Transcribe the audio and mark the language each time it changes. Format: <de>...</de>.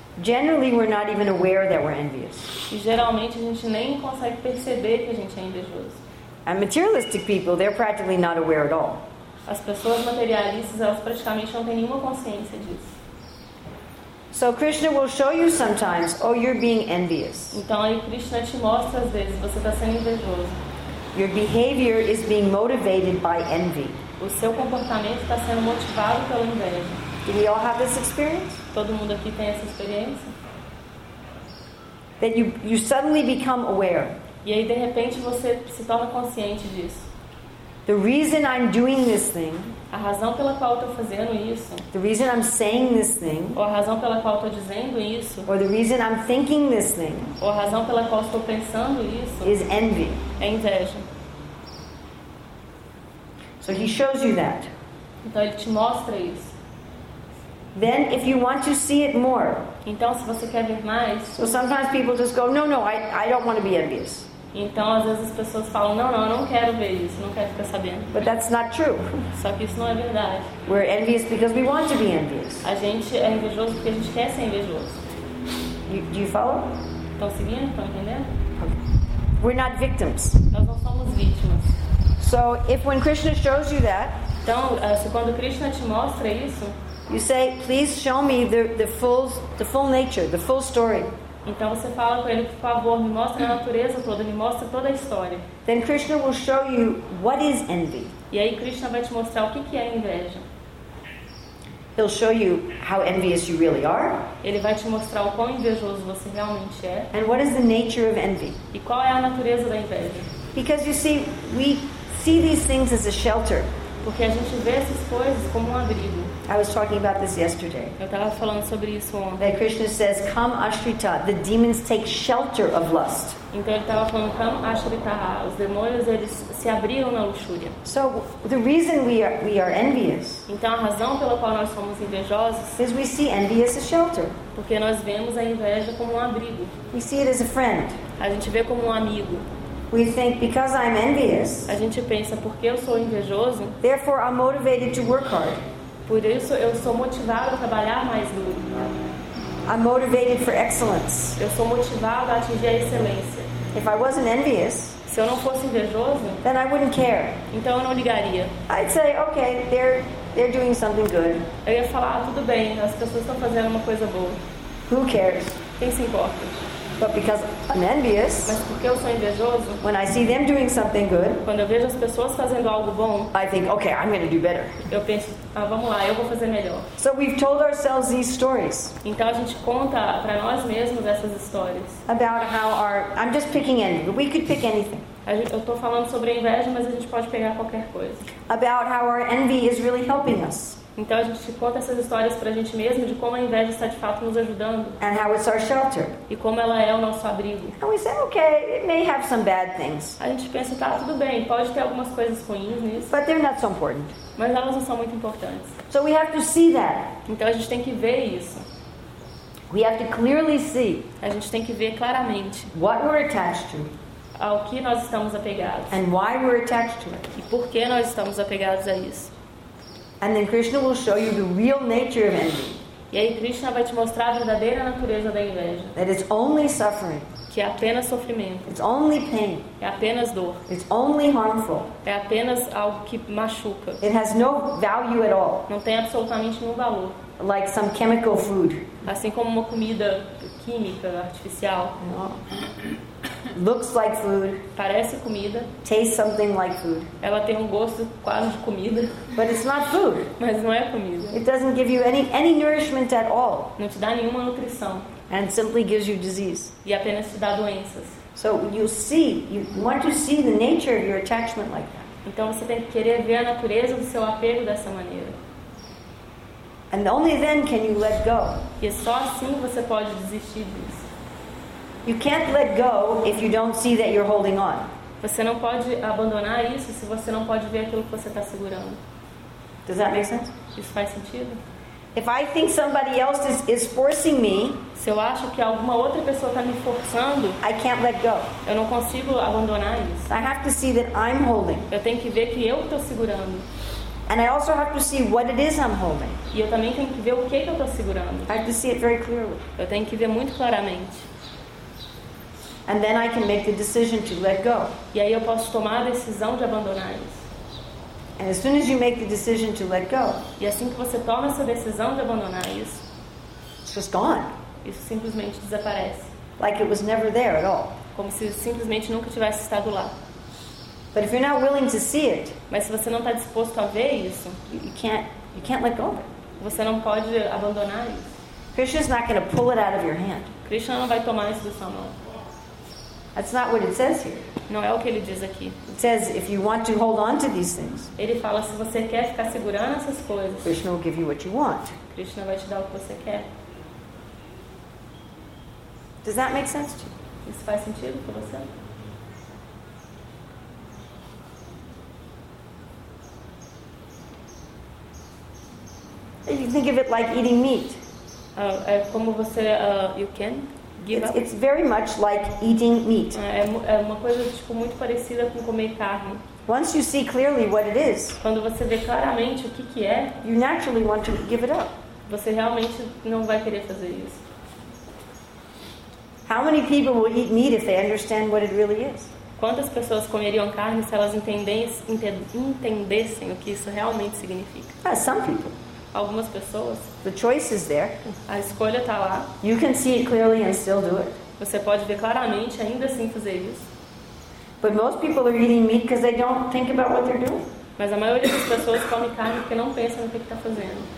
<en>Generally, we're not even aware that we're envious.</en> <pt>E geralmente a gente nem consegue perceber que a gente é invejoso.</pt> <en>And materialistic people, they're practically not aware at all.</en> <pt>As pessoas materialistas, elas praticamente não têm nenhuma consciência disso.</pt> <en>So Krishna will show you sometimes, oh, you're being envious.</en> <pt>Então aí Krishna te mostra às vezes, você está sendo invejoso.</pt> <en>Your behavior is being motivated by envy.</en> <pt>O seu comportamento está sendo motivado pela inveja.</pt> <en>Do we all have this experience?</en> <pt>Todo mundo aqui tem essa experiência?</pt> <en>That you suddenly become aware.</en> <pt>E aí de repente você se torna consciente disso.</pt> <en>The reason I'm doing this thing,</en> <pt>a razão pela qual eu estou fazendo isso,</pt> <en>the reason I'm saying this thing,</en> <pt>ou a razão pela qual estou dizendo isso,</pt> <en>or the reason I'm thinking this thing,</en> <pt>ou a razão pela qual estou pensando isso,</pt> <en>is envy.</en> <pt>É inveja.</pt> <en>So he shows you that.</en> <pt>Então ele te mostra isso.</pt> <en>Then, if you want to see it more,</en> <pt>então se você quer ver mais,</pt> <en>so sometimes people just go, no, I don't want to be envious.</en> <pt>Então às vezes as pessoas falam, não, eu não quero ver isso, não quero ficar sabendo.</pt> <en>But that's not true.</en> <pt>Só que isso não é verdade.</pt> <en>We're envious because we want to be envious.</en> <pt>A gente é invejoso porque a gente quer ser invejoso.</pt> <en>Do you follow?</en> <pt>Estão seguindo? Estão entendendo?</pt> <en>Okay. We're not victims.</en> <pt>Nós não somos vítimas.</pt> <en>So if when Krishna shows you that,</en> <pt>então se quando Krishna te mostra isso,</pt> <en>you say, please show me the full nature, the full story.</en> <pt>Então você fala com ele, por favor, me mostra a natureza toda, me mostra toda a história.</pt> <en>Then Krishna will show you what is envy.</en> <pt>E aí Krishna vai te mostrar o que é inveja.</pt> <en>He'll show you how envious you really are.</en> <pt>Ele vai te mostrar o quão invejoso você realmente é.</pt> <en>And what is the nature of envy?</en> <pt>E qual é a natureza da inveja?</pt> <en>Because you see, we see these things as a shelter.</en> <pt>Porque a gente vê essas coisas como um abrigo.</pt> <en>I was talking about this yesterday.</en> <pt>Eu estava falando sobre isso ontem.</pt> <en>That Krishna says, "Come, Ashrita, the demons take shelter of lust."</en> <pt>Então ele estava falando, "Come, Ashrita, os demônios eles se abriram na luxúria."</pt> <en>So the reason we are envious.</en> <pt>Então a razão pela qual nós somos invejosos.</pt> <en>Is we see envy as a shelter.</en> <pt>Porque nós vemos a inveja como um abrigo.</pt> <en>We see it as a friend.</en> <pt>A gente vê como um amigo.</pt> <en>We think because I'm envious.</en> <pt>A gente pensa porque eu sou invejoso.</pt> <en>Therefore, I'm motivated to work hard.</en> <pt>Por isso eu sou motivado a trabalhar mais duro.</pt> <en>I'm motivated for excellence.</en> <pt>Eu sou motivado a atingir a excelência.</pt> <en>If I wasn't envious,</en> <pt>se eu não fosse invejoso,</pt> <en>then I wouldn't care.</en> <pt>Então eu não ligaria.</pt> <en>I'd say, okay, they're doing something good.</en> <pt>Eu ia falar, tudo bem, as pessoas estão fazendo uma coisa boa.</pt> <en>Who cares?</en> <pt>Quem se importa?</pt> <en>But because I'm envious,</en> <pt>mas porque eu sou invejoso,</pt> <en>when I see them doing something good,</en> <pt>quando eu vejo as pessoas fazendo algo bom,</pt> <en>I think, okay, I'm going to do better.</en> <pt>Eu penso, ah, vamos lá, eu vou fazer melhor.</pt> <en>So we've told ourselves these stories.</en> <pt>Então a gente conta para nós mesmos essas histórias.</pt> <en>About how our, I'm just picking envy, but we could pick anything.</en> <pt>Eu estou falando sobre a inveja, mas a gente pode pegar qualquer coisa.</pt> <en>About how our envy is really helping us.</en> <pt>Então a gente conta essas histórias para a gente mesmo de como a inveja está de fato nos ajudando.</pt> <en>And how it's our shelter.</en> <pt>E como ela é o nosso abrigo.</pt> <en>And we say, okay, it may have some bad things.</en> <pt>A gente pensa, tá, tudo bem, pode ter algumas coisas ruins nisso.</pt> <en>But they're not so important.</en> <pt>Mas elas não são muito importantes.</pt> <en>So we have to see that.</en> <pt>Então a gente tem que ver isso.</pt> <en>We have to clearly see.</en> <pt>A gente tem que ver claramente.</pt> <en>What we're attached to.</en> <pt>Ao que nós estamos apegados.</pt> <en>And why we're attached to it.</en> <pt>E por que nós estamos apegados a isso.</pt> <en>And then Krishna will show you the real nature of envy.</en> <pt>E aí Krishna vai te mostrar a verdadeira natureza da inveja.</pt> <en>That it's only suffering.</en> <pt>Que é apenas sofrimento.</pt> <en>It's only pain.</en> <pt>É apenas dor.</pt> <en>It's only harmful.</en> <pt>É apenas algo que machuca.</pt> <en>It has no value at all.</en> <pt>Não tem absolutamente nenhum valor.</pt> <en>Like some chemical food.</en> <pt>Assim como uma comida química artificial.</pt> <en>No. Looks like food.</en> <pt>Parece comida.</pt> <en>Tastes something like food.</en> <pt>Ela tem um gosto quase de comida.</pt> <en>But it's not food.</en> <pt>Mas não é comida.</pt> <en>It doesn't give you any nourishment at all.</en> <pt>Não te dá nenhuma nutrição.</pt> <en>And simply gives you disease.</en> <pt>E apenas te dá doenças.</pt> <en>So you see, you want to see the nature of your attachment like that.</en> <pt>Então você tem que querer ver a natureza do seu apego dessa maneira.</pt> <en>And only then can you let go.</en> <pt>E só assim você pode desistir disso.</pt> <en>You can't let go if you don't see that you're holding on.</en> <pt>Você não pode abandonar isso se você não pode ver aquilo que você está segurando.</pt> <en>Does that make sense?</en> <pt>Isso faz sentido?</pt> <en>If I think somebody else is forcing me,</en> <pt>se eu acho que alguma outra pessoa está me forçando,</pt> <en>I can't let go.</en> <pt>Eu não consigo abandonar isso.</pt> <en>I have to see that I'm holding.</en> <pt>Eu tenho que ver que eu estou segurando.</pt> <en>And I also have to see what it is I'm holding.</en> <pt>E eu também tenho que ver o que eu estou segurando.</pt> <en>I have to see it very clearly.</en> <pt>Eu tenho que ver muito claramente.</pt> <en>And then I can make the decision to let go.</en> <pt>E aí eu posso tomar a decisão de abandonar isso.</pt> <en>And as soon as you make the decision to let go,</en> <pt>e assim que você toma essa decisão de abandonar isso,</pt> <en>it's just gone.</en> <pt>Isso simplesmente desaparece.</pt> <en>Like it was never there at all.</en> <pt>Como se simplesmente nunca tivesse estado lá.</pt> <en>But if you're not willing to see it,</en> <pt>mas se você não está disposto a ver isso,</pt> <en>you can't let go of it.</en> <pt>Você não pode abandonar isso.</pt> <en>Krishna's not going to pull it out of your hand.</en> <pt>Krishna não vai tomar isso da sua mão.</pt> <en>That's not what it says here.</en> <pt>Não é o que ele diz aqui.</pt> <en>It says if you want to hold on to these things.</en> <pt>Ele fala se você quer ficar segurando essas coisas.</pt> <en>Krishna will give you what you want.</en> <pt>Krishna vai te dar o que você quer.</pt> <en>Does that make sense to you?</en> <pt>Isso faz sentido para você?</pt> <en>You think of it like eating meat.</en> <pt>Como você,</pt> <en>you can give it's, up. It's very much like eating meat.</en> <pt>É uma coisa tipo muito parecida com comer carne.</pt> <en>Once you see clearly what it is,</en> <pt>quando você vê claramente o que que é,</pt> <en>you naturally want to give it up.</en> <pt>Você realmente não vai querer fazer isso.</pt> <en>How many people will eat meat if they understand what it really is?</en> <pt>Quantas pessoas comeriam carne se elas entendessem o que isso realmente significa?</pt> <en>Some people.</en> <pt>Algumas pessoas.</pt> <en>The choice is there.</en> <pt>A escolha está lá.</pt> <en>You can see it clearly and still do it.</en> <pt>Você pode ver claramente ainda assim fazer isso.</pt> <en>But most people are eating meat because they don't think about what they're doing.</en> <pt>Mas a maioria das pessoas come carne porque não pensa no que está fazendo.</pt>